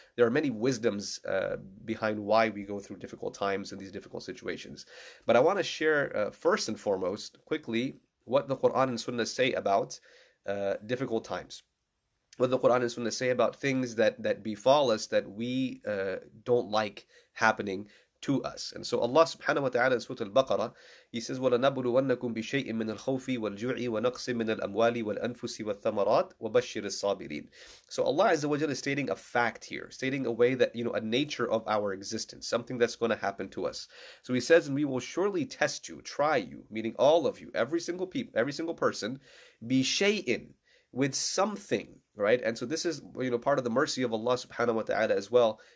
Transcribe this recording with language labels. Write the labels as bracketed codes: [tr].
[en] There are many wisdoms behind why we go through difficult times and these difficult situations. But I want to share, first and foremost, quickly, what the Quran and Sunnah say about difficult times. What the Quran and Sunnah say about things that befall us that we don't like happening to us. And so Allah subhanahu wa ta'ala in Surah Al-Baqarah, He says, [ar] وَلَنَبْلُوَنَّكُمْ بِشَيْءٍ مِّنَ الْخَوْفِ وَالْجُوعِ وَنَقْصٍ مِّنَ الْأَمْوَالِ وَالْأَنفُسِ وَالثَّمَرَاتِ وَبَشِّرِ الصَّابِرِينَ. [en] So Allah Azza wa Jalla is stating a fact here, stating a way that, you know, a nature of our existence, something that's going to happen to us. So He says, and we will surely test you, try you, meaning all of you, every single person, بِشَيْءٍ, with something, right? And so this is, you know, part of the mercy of Allah subhanahu wa ta'ala as well.